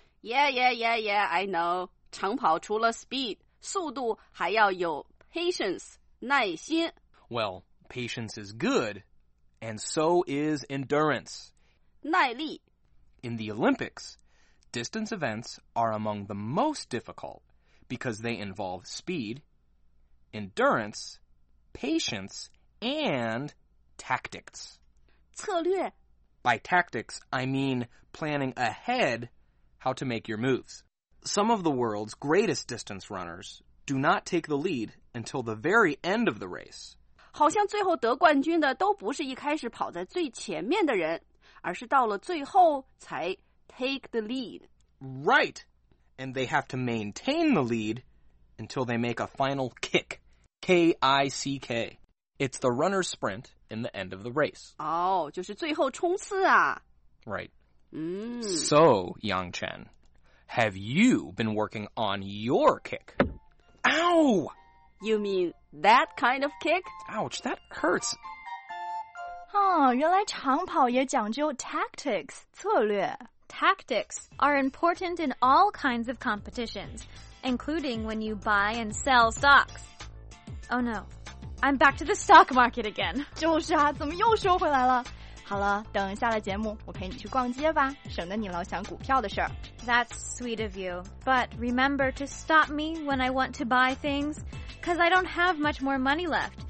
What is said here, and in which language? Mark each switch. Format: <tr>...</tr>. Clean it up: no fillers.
<en>Yeah, I know.</en> <zh>长跑除了 speed, 速度还要有 patience, 耐心。</zh> <en>Well, patience is good. And so is endurance.</en> <zh>耐力</zh> <en>In the Olympics, distance events are among the most difficult because they involve speed, endurance, patience, and tactics.</en> <zh>策略</zh> <en>By tactics, I mean planning ahead how to make your moves. Some of the world's greatest distance runners do not take the lead until the very end of the race.</en> <zh>好像最后得冠军的都不是一开始跑在最前面的人，而是到了最后才</zh> <en>take the lead. Right. And they have to maintain the lead until they make a final kick. K-I-C-K. It's the runner's sprint in the end of the race.</en> <zh>哦、oh, 就是最后冲刺啊。</zh> <en>Right.、 Mm. So, Yangchen, have you been working on your kick? Ow! You mean... That kind of kick? Ouch, that hurts.</en> <zh>哦，原来长跑也讲究 tactics, 策略。</zh> <en>Tactics are important in all kinds of competitions, including when you buy and sell stocks. Oh no, I'm back to the stock market again.</en> <zh>就是啊，怎么又收回来了？好了，等下了节目，我陪你去逛街吧，省得你老想股票的事儿。</zh> <en>That's sweet of you, but remember to stop me when I want to buy things. because I don't have much more money left.</en>